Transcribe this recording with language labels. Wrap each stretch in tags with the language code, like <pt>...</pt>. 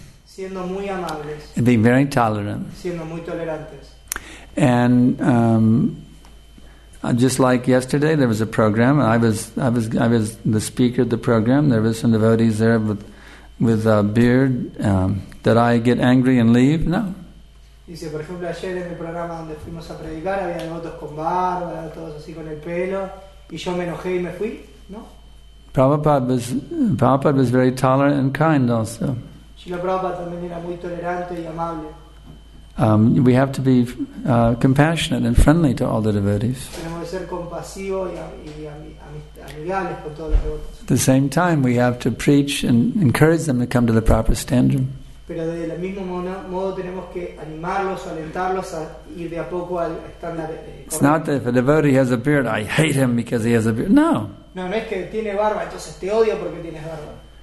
<es>Siendo muy amables.</es> <en>And being very tolerant.</en> <es>Siendo muy tolerantes.</es> <en>And just like yesterday, there was a program. I was the speaker of the program. There was some devotees there with a beard. Did I get angry and leave? No.</en> <es>Dice, por ejemplo, ayer en el programa donde fuimos a predicar había devotos con barba, todos así con el pelo, y yo me enojé y me fui. No.</es> <en>Prabhupada was very tolerant and kind also.</en> <es>Shrila Prabhupada también era muy tolerante y amable.</es> <en>We have to be compassionate and friendly to all the devotees. At the same time, we have to preach and encourage them to come to the proper standard.</en> <es>Pero de la misma modo tenemos que animarlos, alentarlos a ir de a poco al estándar.</es> <en>It's not that if a devotee has a beard, I hate him because he has a beard. No.</en> <es>No, no es que tiene barba, entonces te odio porque tienes barba.</es>